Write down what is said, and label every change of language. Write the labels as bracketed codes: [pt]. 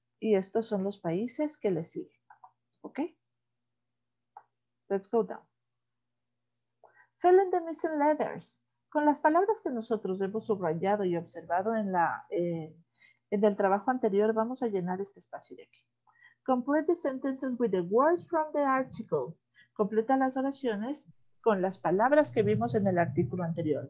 [es] Y estos son los países que le siguen. ¿Ok? [en] Let's go down. Fill in the missing letters. [es] Con las palabras que nosotros hemos subrayado y observado en la... En el trabajo anterior, vamos a llenar este espacio de aquí. [en] Complete the sentences with the words from the article. [es] Completa las oraciones con las palabras que vimos en el artículo anterior.